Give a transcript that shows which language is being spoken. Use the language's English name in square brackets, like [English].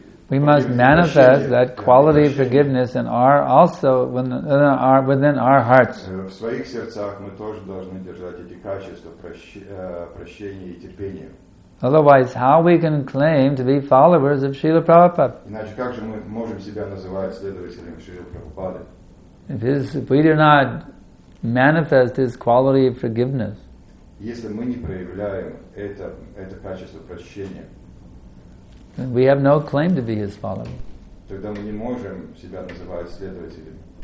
[English] We must manifest that quality of forgiveness in our also within our hearts. [Russian] В своих сердцах мы тоже должны держать эти качества прощения и терпения. [English] Otherwise, how we can claim to be followers of Srila Prabhupada? [Russian] Иначе как же мы можем себя называть следователями Шрилы Прабхупады? [English] If we do not manifest his quality of forgiveness, [Russian] если мы не проявляем это качество прощения, [English] we have no claim to be his follower. [Russian] Тогда мы не можем себя называть последователем.